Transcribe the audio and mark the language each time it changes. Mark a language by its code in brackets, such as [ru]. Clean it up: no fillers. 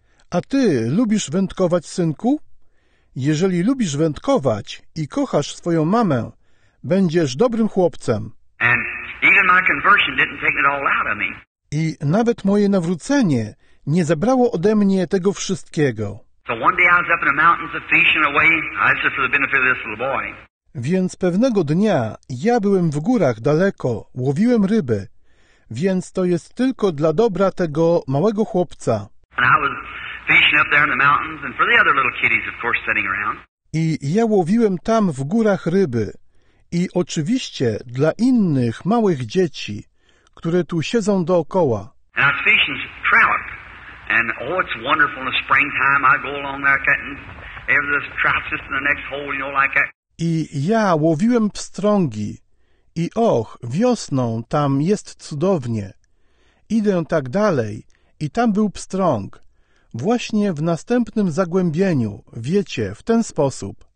[pl] A ty lubisz wędkować, synku? Jeżeli lubisz wędkować i kochasz swoją mamę, będziesz dobrym chłopcem. [en] And even my conversion didn't take it all out of me. [pl] I nawet moje nawrócenie nie zabrało ode mnie tego wszystkiego. [en] So one day I was up in the mountains of fishing away, I said for the benefit of this little boy. [pl] Więc pewnego dnia ja byłem w górach daleko, łowiłem ryby, więc to jest tylko dla dobra tego małego chłopca. [en] And I was fishing up there in the mountains and for the other little kiddies, of course, sitting around. [pl] I ja łowiłem tam w górach ryby i oczywiście dla innych małych dzieci, które tu siedzą dookoła. [en] And I was fishing trout. And oh, it's wonderful in the springtime. I go along there cutting every trout just in the next hole, you know, like that. [pl] I ja łowiłem pstrągi. I och, wiosną tam jest cudownie. idę tak dalej i tam był pstrąg. Właśnie w następnym zagłębieniu, wiecie, w ten sposób.